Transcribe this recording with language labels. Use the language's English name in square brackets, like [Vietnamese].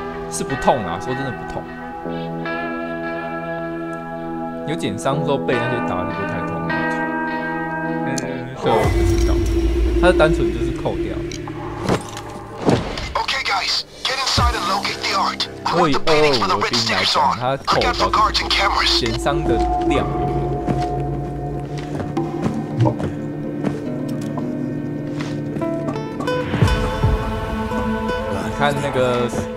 [Chinese] 是不痛啊，说真的不痛。有减伤之后被那些打就不太痛。对，我不知道，他是单纯就是扣掉。 [English] Okay, guys, get inside and locate the art. [Chinese] 我以欧欧罗宾来讲，他扣到减伤的量。看那个